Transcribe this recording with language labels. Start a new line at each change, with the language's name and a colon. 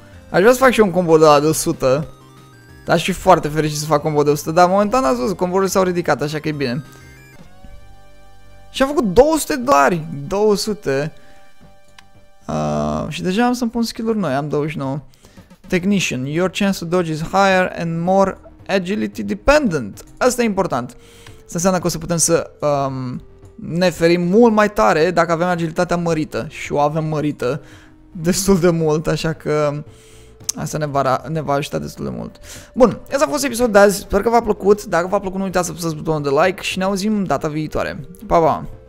Romanian: Aș vrea să fac și eu un combo de la de 100. Dar aș fi foarte fericit să fac combo de 100. Dar momentan ați văzut, comborurile s-au ridicat, așa că e bine. Și am făcut 200 de dolari. 200. Și deja am să-mi pun skill-uri noi, am 29.
English: Technician, your chance to dodge is higher and more agility dependent.
Romanian: Asta e important. Asta înseamnă că o să putem să... ne ferim mult mai tare dacă avem agilitatea mărită. Și o avem mărită destul de mult, așa că asta ne va ajuta destul de mult. Bun, ăsta a fost episodul de azi. Sper că v-a plăcut. Dacă v-a plăcut, nu uitați să apăsați butonul de like și ne auzim data viitoare. Pa, pa!